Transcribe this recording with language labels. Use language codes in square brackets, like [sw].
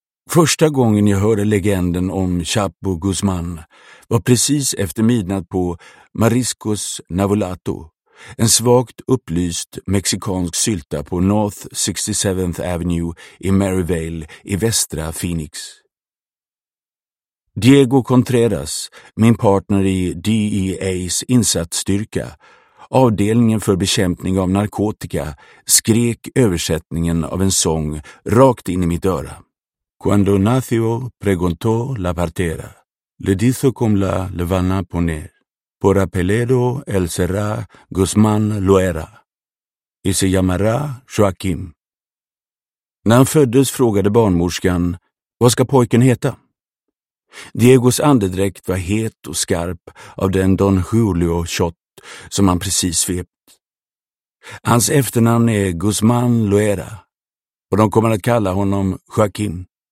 [sv] Första gången jag hörde legenden om Chapo Guzman var precis efter midnatt på Mariscos Navolato, en svagt upplyst mexikansk sylta på North 67th Avenue i Maryvale i västra Phoenix. Diego Contreras, min partner i DEA:s insatsstyrka, avdelningen för bekämpning av narkotika, skrek översättningen av en sång rakt in i mitt öra. [es] Cuando nació preguntó la partera, le dijo cómo la le van a poner, por apellido él será Guzmán Loera, y se llamará Joaquín. [sv] När han föddes frågade barnmorskan, vad ska pojken heta? Diegos andedräkt var het och skarp av den Don Julio shot som han precis svept. Hans efternamn är Guzmán Loera och de kommer att kalla honom Joaquín.